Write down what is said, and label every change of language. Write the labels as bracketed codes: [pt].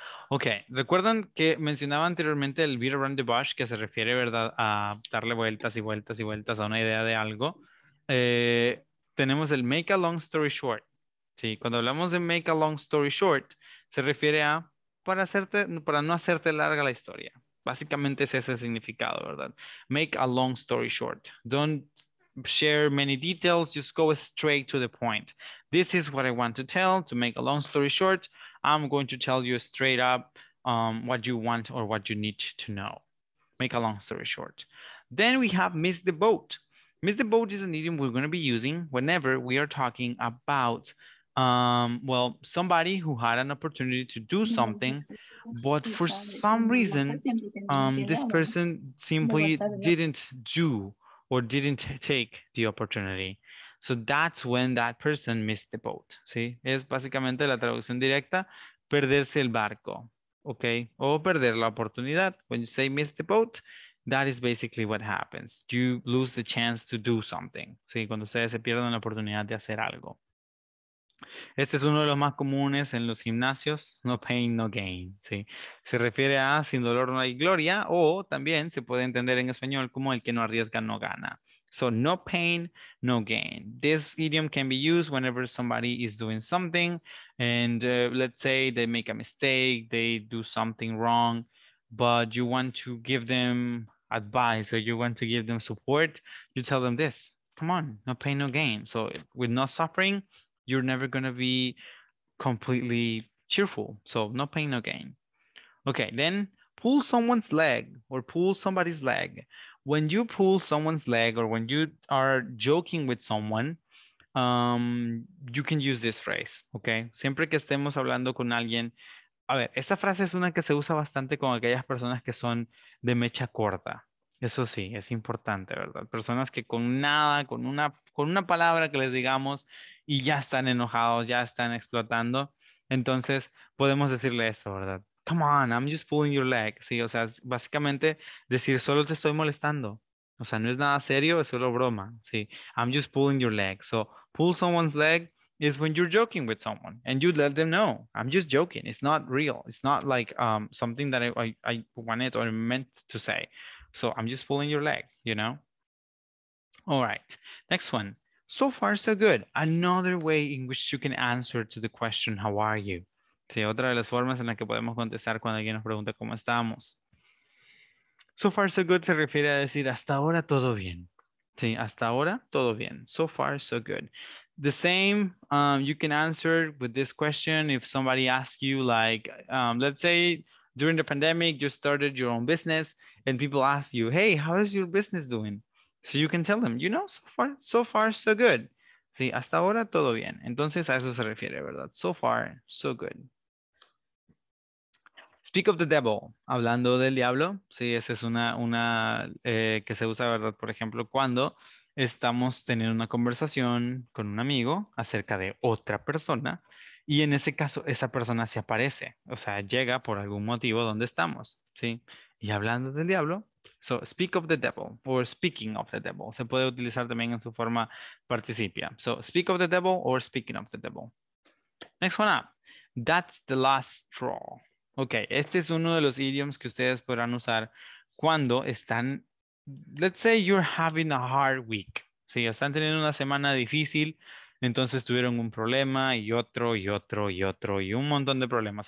[es] Ok, recuerdan que mencionaba anteriormente el [en] beat around the bush, [es] que se refiere, ¿verdad?, a darle vueltas y vueltas y vueltas a una idea de algo. Tenemos el [en] make a long story short. [es] Sí, cuando hablamos de [en] make a long story short, [es] se refiere a para no hacerte larga la historia. Básicamente es ese el significado, ¿verdad? [en] Make a long story short. Don't share many details, just go straight to the point. This is what I want to tell, to make a long story short. I'm going to tell you straight up what you want or what you need to know. Make a long story short. Then we have miss the boat. Miss the boat is an idiom we're going to be using whenever we are talking about, well, somebody who had an opportunity to do something, but for some reason, this person simply didn't do or didn't take the opportunity. So that's when that person missed the boat, ¿sí? [es] Es básicamente la traducción directa, perderse el barco, ¿ok? O perder la oportunidad. [en] When you say miss the boat, that is basically what happens. You lose the chance to do something, ¿sí? [es] Cuando ustedes se pierden la oportunidad de hacer algo. Este es uno de los más comunes en los gimnasios, [en] no pain, no gain, [es] ¿sí? Se refiere a sin dolor no hay gloria, o también se puede entender en español como el que no arriesga no gana. [en] So no pain, no gain. This idiom can be used whenever somebody is doing something and let's say they make a mistake, they do something wrong, but you want to give them advice or you want to give them support, you tell them this, come on, no pain, no gain. So with no suffering, you're never gonna be completely cheerful. So no pain, no gain. Okay, then pull someone's leg or pull somebody's leg. When you pull someone's leg or when you are joking with someone, you can use this phrase, okay? [es] Siempre que estemos hablando con alguien, a ver, esta frase es una que se usa bastante con aquellas personas que son de mecha corta, Eso sí, es importante, ¿verdad? Personas que con nada, con una palabra que les digamos y ya están enojados, ya están explotando. Entonces, podemos decirle esto, ¿verdad? [en] Come on, I'm just pulling your leg. [es] Sí, o sea, básicamente decir solo te estoy molestando. O sea, no es nada serio, es solo broma. Sí, [en] I'm just pulling your leg. So, pull someone's leg is when you're joking with someone and you let them know, I'm just joking. It's not real. It's not like something that I wanted or meant to say. So I'm just pulling your leg, you know? All right, next one. So far, so good. Another way in which you can answer to the question, how are you? [es] Sí, otra de las formas en las que podemos contestar cuando alguien nos pregunta cómo estamos. [en] So far, so good [es] se refiere a decir hasta ahora todo bien. Sí, hasta ahora todo bien. [en] So far, so good. The same, you can answer with this question if somebody asks you, like, let's say during the pandemic, you started your own business and people ask you, hey, how is your business doing? So you can tell them, you know, so far, so good. [es] Sí, hasta ahora todo bien. Entonces a eso se refiere, ¿verdad? [en] So far, so good. Speak of the devil. [es] Hablando del diablo. Sí, esa es una que se usa, ¿verdad? Por ejemplo, cuando estamos teniendo una conversación con un amigo acerca de otra persona y en ese caso esa persona se aparece, o sea, llega por algún motivo donde estamos, ¿sí? Y hablando del diablo, [en] so speak of the devil [es] or speaking of the devil, se puede utilizar también en su forma participia. [en] So speak of the devil or speaking of the devil. Next one up, that's the last straw. [es] Okay, este es uno de los idioms que ustedes podrán usar cuando están, [en] let's say you're having a hard week. [es] Sí, están teniendo una semana difícil, entonces tuvieron un problema y otro y otro y otro y un montón de problemas.